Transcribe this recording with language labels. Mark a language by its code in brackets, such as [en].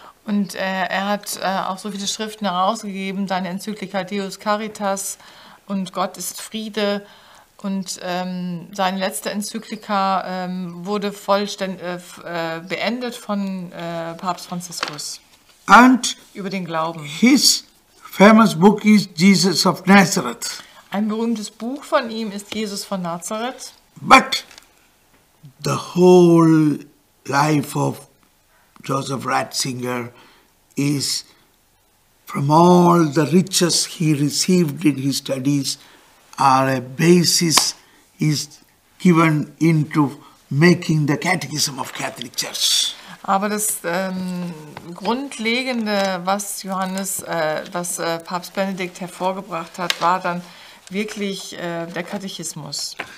[de] Und er hat auch so viele Schriften herausgegeben, seine Enzyklika Deus Caritas und Gott ist Friede, Und seine letzte Enzyklika wurde vollständig beendet von Papst Franziskus. [en] And [de] über den Glauben. [en] His famous book is Jesus of Nazareth. [de] Ein berühmtes Buch von ihm ist Jesus von Nazareth. [en] But the whole life of Joseph Ratzinger is from all the riches he received in his studies are a basis is given into making the Catechism of Catholic Church. [de] Aber das Grundlegende, was Johannes, was Papst Benedikt hervorgebracht hat, war dann wirklich der Katechismus.